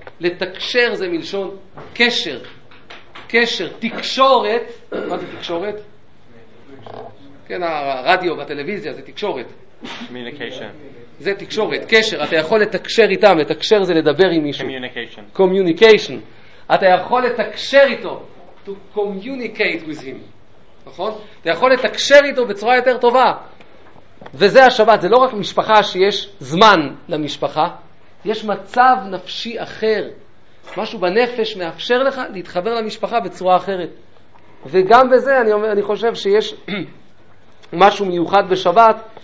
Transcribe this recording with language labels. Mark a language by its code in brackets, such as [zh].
[he] לתקשר זה מלשון קשר. קשר, תקשורת. מה זה תקשורת? כן, הרדיו והטלוויזיה זה תקשורת. זה תקשורת, קשר. אתה יכול לתקשר איתם, לתקשר זה לדבר עם מישהו. [en] Communication. [he] אתה יכול לתקשר איתו. [en] To communicate with him. [he] נכון? אתה יכול לתקשר איתו בצורה יותר טובה. וזה השבת, זה לא רק משפחה שיש זמן למשפחה, יש מצב נפשי אחר. משהו בנפש מאפשר לך להתחבר למשפחה בצורה אחרת. וגם בזה אני חושב שיש משהו מיוחד בשבת,